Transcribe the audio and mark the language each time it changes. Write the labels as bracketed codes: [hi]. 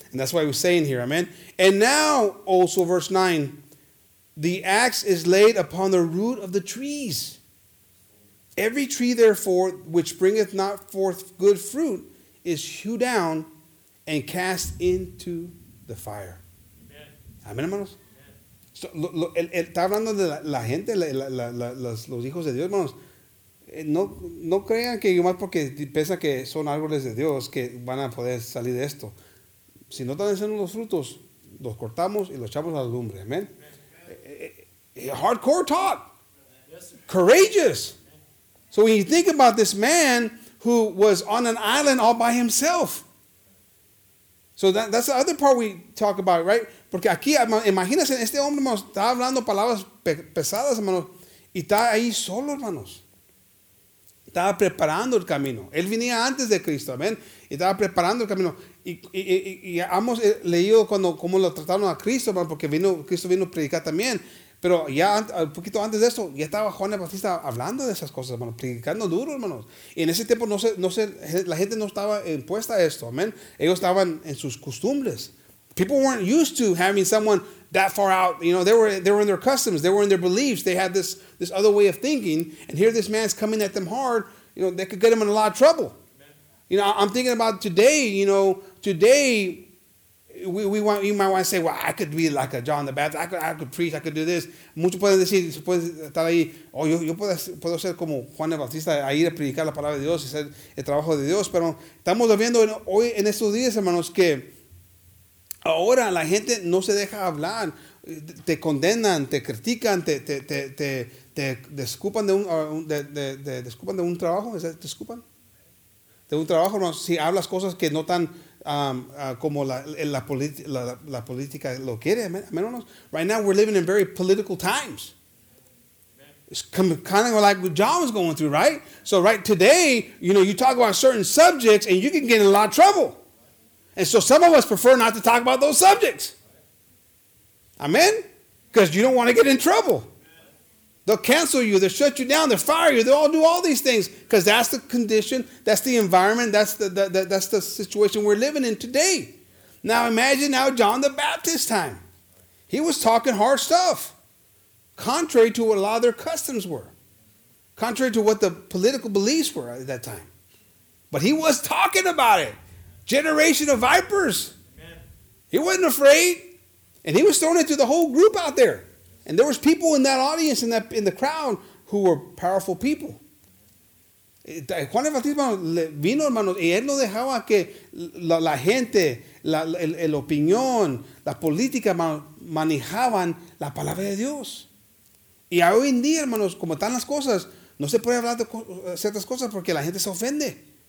[en] And that's why we're saying here, amen. And now, also verse 9, the axe is laid upon the root of the trees. Every tree, therefore, which bringeth not forth good fruit, is hewed down and cast into the fire. [es] Amén, hermanos. So, está hablando de la gente, los hijos de Dios, hermanos. No crean que más porque piensan que son árboles de Dios que van a poder salir de esto. Si no están haciendo los frutos, los cortamos y los echamos a la lumbre. [en] Amén. Hardcore talk. Courageous. So when you think about this man who was on an island all by himself. So that's the other part we talk about, right? [es] Porque aquí, imagínense, este hombre está hablando palabras pesadas, hermanos, y está ahí solo, hermanos. Estaba preparando el camino. Él venía antes de Cristo, amén. Y estaba preparando el camino. Y hemos leído cómo lo trataron a Cristo, hermano, porque Cristo vino a predicar también. Pero ya un poquito antes de eso, ya estaba Juan el Bautista hablando de esas cosas, hermano, predicando duro, hermanos. Y en ese tiempo no sé, la gente no estaba impuesta a esto, amén. Ellos estaban en sus costumbres. [en] People weren't used to having someone that far out. You know, they were in their customs. They were in their beliefs. They had this other way of thinking. And here this man's coming at them hard. You know, that could get him in a lot of trouble. Amen. You know, I'm thinking about today, you know, today you might want to say, well, I could be like a John the Baptist. I could preach. I could do this. [es] Muchos pueden decir, se puede estar ahí, oh, yo puedo ser como Juan el Bautista, a ir a predicar la palabra de Dios y hacer el trabajo de Dios. Pero estamos viendo hoy en estos días, hermanos, que ahora la gente no se deja hablar, te condenan, te critican, te disculpan de un trabajo, ¿te disculpan? De un trabajo, no, si hablas cosas que no están como la política lo quiere, menos. [en] Right now we're living in very political times. It's kind of like what John was going through, right? So right today, you know, you talk about certain subjects and you can get in a lot of trouble. And so some of us prefer not to talk about those subjects. Amen? Because you don't want to get in trouble. They'll cancel you. They'll shut you down. They'll fire you. They'll all do all these things. Because that's the condition. That's the environment. That's the situation we're living in today. Now imagine now John the Baptist time. He was talking hard stuff. Contrary to what a lot of their customs were. Contrary to what the political beliefs were at that time. But he was talking about it. Generation of vipers. Amen. He wasn't afraid. And he was thrown into the whole group out there. And there was people in that audience, in the crowd, who were powerful people. [es] Juan el Bautista vino, hermanos, y él no dejaba que la gente, el opinión, la política, manejaban la palabra de Dios. Y hoy en día, hermanos, como están las cosas, no se puede hablar de ciertas cosas porque la gente se ofende.